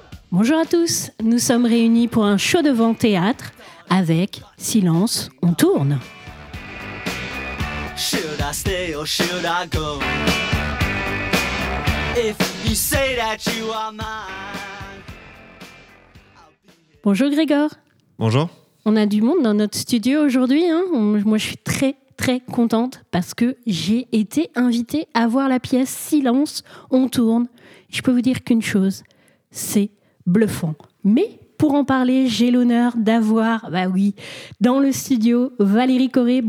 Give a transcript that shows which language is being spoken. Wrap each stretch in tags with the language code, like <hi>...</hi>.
<fr>Bonjour à tous, nous sommes réunis pour un show devant théâtre avec Silence, on tourne.</fr> <en>Should I stay or should I go? If you say that you are mine.</en> <fr>Bonjour Grégor. Bonjour. On a du monde dans notre studio aujourd'hui, hein. Moi je suis très très contente parce que j'ai été invitée à voir la pièce Silence, on tourne. Je peux vous dire qu'une chose, c'est bluffant. Mais pour en parler, j'ai l'honneur d'avoir, bah oui, dans le studio, Valérie Corré.</fr>